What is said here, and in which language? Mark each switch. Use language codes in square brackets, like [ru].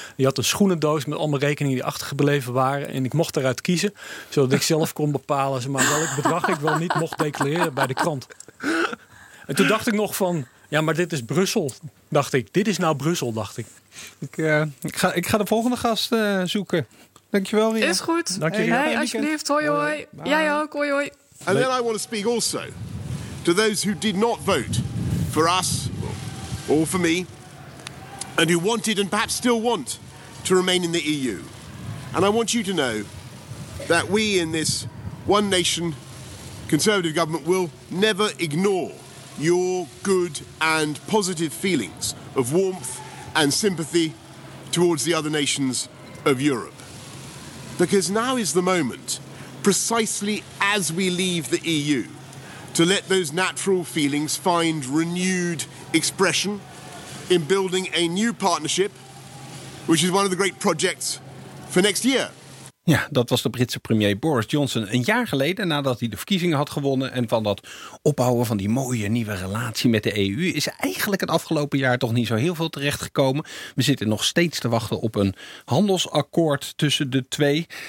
[nl] Die had een schoenendoos met allemaal rekeningen die achtergebleven waren. En ik mocht eruit kiezen, zodat ik zelf kon bepalen, zeg maar, welk bedrag ik wel niet mocht declareren bij de krant. En toen dacht ik nog van, ja, maar dit is Brussel, dacht ik. Dit is nou Brussel, dacht ik. Ik ga de volgende gast zoeken. Dankjewel, Ria. Is goed. Dankjewel. Hey, alsjeblieft. Hoi, hoi. Bye. Jij ook. Hoi, hoi. [en] And then I want to speak also to those who did not vote for us or for me and who wanted and perhaps still want to remain in the EU. And I want you to know that we in this one nation conservative government will never ignore your good and positive feelings of warmth and sympathy towards the other nations of Europe. Because now is the moment, precisely as we leave the EU, to let those natural feelings find renewed expression in building a new partnership, which is one of the great projects for next year. [nl] Ja, dat was de Britse premier Boris Johnson een jaar geleden nadat hij de verkiezingen had gewonnen. En van dat opbouwen van die mooie nieuwe relatie met de EU is eigenlijk het afgelopen jaar toch niet zo heel veel terechtgekomen. We zitten nog steeds te wachten op een handelsakkoord tussen de twee.